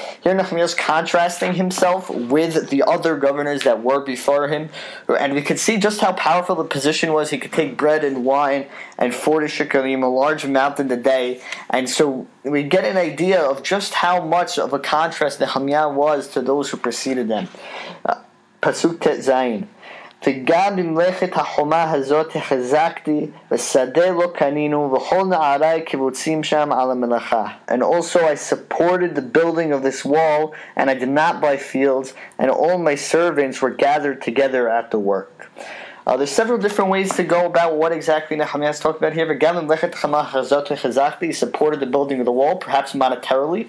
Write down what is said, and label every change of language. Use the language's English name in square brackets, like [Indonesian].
[English] Here Nehemiah is contrasting himself with the other governors that were before him, and we can see just how powerful the position was. He could take bread and wine and 40 shekelim, a large amount in the day, and so we get an idea of just how much of a contrast Nehemiah was to those who preceded them. [Hebrew] Pasuk Tet Zayin. וגם במלאכת החומה הזאת החזקתי ושדה לא קנינו וכל נערי קיבוצים שם על המלאכה. [English] And also I supported the building of this wall and I did not buy fields and all my servants were gathered together at the work. There's several different ways to go about what exactly Nehemiah is talking about here. [Hebrew] V'gam b'mlechet chamah hazot hechazakti, [English] he supported the building of the wall, perhaps monetarily.